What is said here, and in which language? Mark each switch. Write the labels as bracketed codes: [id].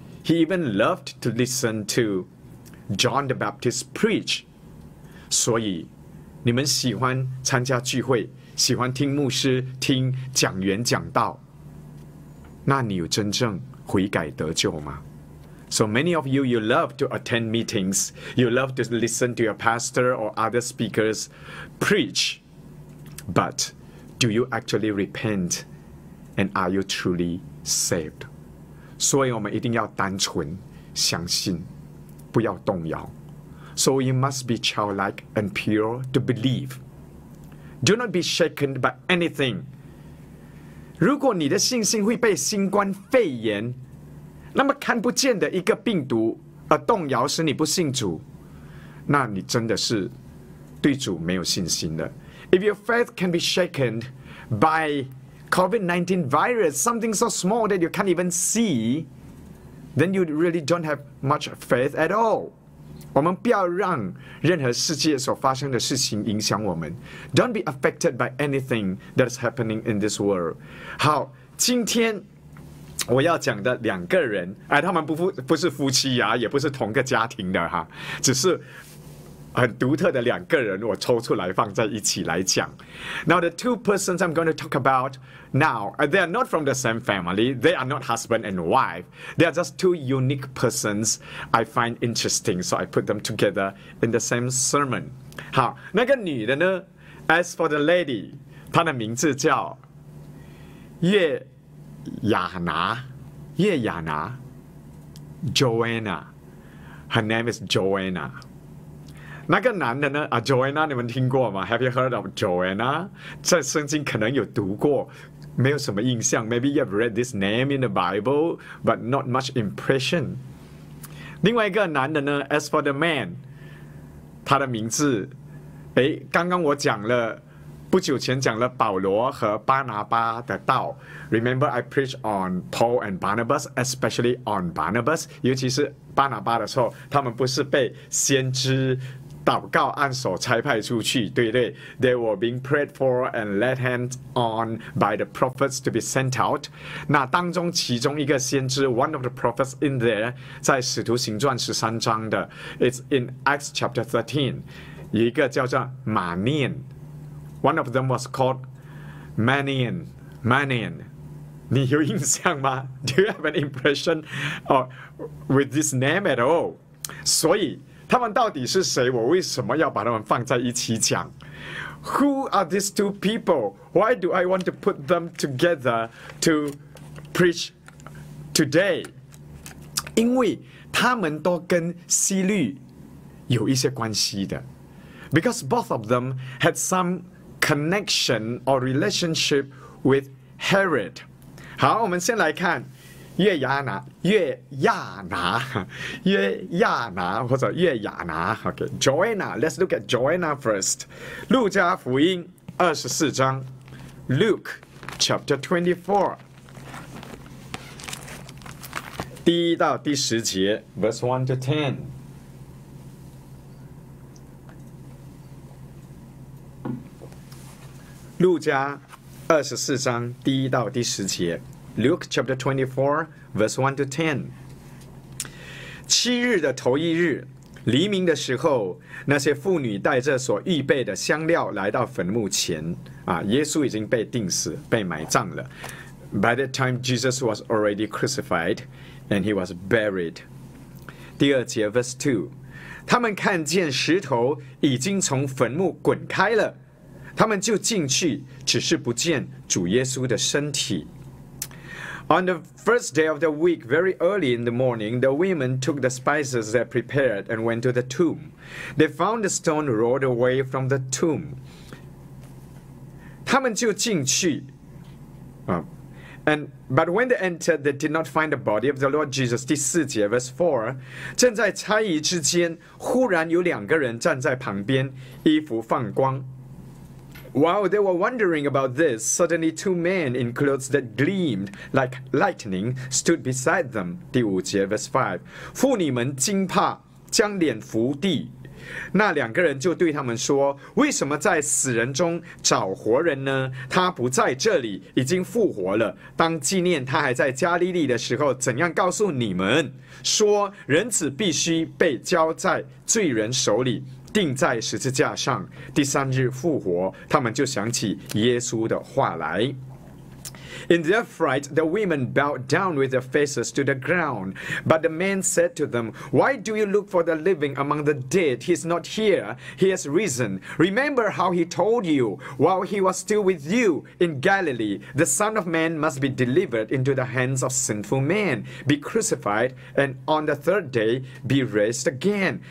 [en] He even loved to listen to John the Baptist preach。 [zh] 所以你们喜欢参加聚会，喜欢听牧师听讲员讲道，那你有真正悔改得救吗？ [en] So many of you, you love to attend meetings, you love to listen to your pastor or other speakers preach, but do you actually repent and are you truly saved? [zh] 所以我们一定要单纯相信，不要动摇。 [en] So you must be childlike and pure to believe. Do not be shaken by anything. [zh] 如果你的信心会被新冠肺炎，那么看不见的一个病毒而动摇，使你不信主，那你真的是对主没有信心的。 [en] If your faith can be shaken by COVID-19 virus, something so small that you can't even see, then you really don't have much faith at all. [zh] 我们不要让任何世界所发生的事情影响我们。 [en] Don't be affected by anything that's happening in this world. [zh] 好，今天我要讲的两个人，哎，他们 不是夫妻啊，也不是同个家庭的哈，只是很独特的两个人，我抽出来放在一起来讲。 [en] Now the two persons I'm going to talk about now, they are not from the same family. They are not husband and wife. They are just two unique persons I find interesting, so I put them together in the same sermon. [zh] 好，那个女的呢 ？ [en] As for the lady, [zh] 她的名字叫。叶亚拿，叶亚拿 ，Joanna， [en] her name is Joanna。 [zh] 那个男的呢？ [en] 啊 ，Joanna， [zh] 你们听过吗 [en] ？Have you heard of Joanna？ [zh] 在圣经可能有读过，没有什么印象。 [en] Maybe you've read this name in the Bible, but not much impression。 [zh] 另外一个男的呢 ？ [en] As for the man， [zh] 他的名字，哎，刚刚我讲了。不久前讲了保罗和巴拿巴的道。 [en] Remember, I preached on Paul and Barnabas, especially on Barnabas. [zh] 尤其是巴拿巴的时候，他们不是被先知祷告按手差派出去，对不对 [en] ？They were being prayed for and laid hands on by the prophets to be sent out. [zh] 那当中其中一个先知 ， [en] one of the prophets in there， [zh] 在《使徒行传》十三章的 ， [en] It's in Acts chapter 13， [zh] 一个叫做马念。 [en] One of them was called Manian. Manian, [zh] 你有印象吗 [en] ？Do you have an impression, with this name at all? [zh] 所以他们到底是谁？我为什么要把他们放在一起讲 ？ [en] Who are these two people? Why do I want to put them together to preach today? [zh] 因为他们都跟希律有一些关系的。 [en] Because both of them had some connection or relationship with Herod. [zh] 好，我们先来看约亚拿，约亚拿，约亚拿或者约亚拿。 [en] Okay, Joanna. Let's look at Joanna first. [zh] 路加福音二十四章 [en] ，Luke chapter 24, [zh] 第一到第十节 [en] ，verse 1 to 10. [zh] 路加二十四章第一到第十节 ， [en] Luke chapter 24, verse 1 to 10。 [zh] 七日的头一日，黎明的时候，那些妇女带着所预备的香料来到坟墓前。啊，耶稣已经被钉死，被埋葬了。 [en] By that time, Jesus was already crucified, and he was buried. [zh] 第二节 ， [en] verse 2， [zh] 他们看见石头已经从坟墓滚开了。他们就进去，只是不见主耶稣的身体。 [en] On the first day of the week, very early in the morning, the women took the spices they prepared and went to the tomb. They found the stone rolled away from the tomb. [zh] 他们就进去。 [en] But when they entered, they did not find the body of the Lord Jesus. [zh] 第四节 ， [en] verse 4， [zh] 正在猜疑之间，忽然有两个人站在旁边，衣服放光。 [en] While they were wondering about this, suddenly two men in clothes that gleamed like lightning stood beside them. [zh] 第五节 [en] verse 5. [zh] 妇女们惊怕，将脸伏地。那两个人就对他们说，为什么在死人中找活人呢？他不在这里，已经复活了。当纪念他还在加利利的时候，怎样告诉你们，说人子必须被交在罪人手里，钉在十字架上，第三日复活。他们就想起耶稣的话来。 [en] In their fright, the women bowed down with their faces to the ground. But the men said to them, Why do you look for the living among the dead? He is not here. He has risen. Remember how he told you, while he was still with you in Galilee, the Son of Man must be delivered into the hands of sinful men, be crucified, and on the third day be raised again.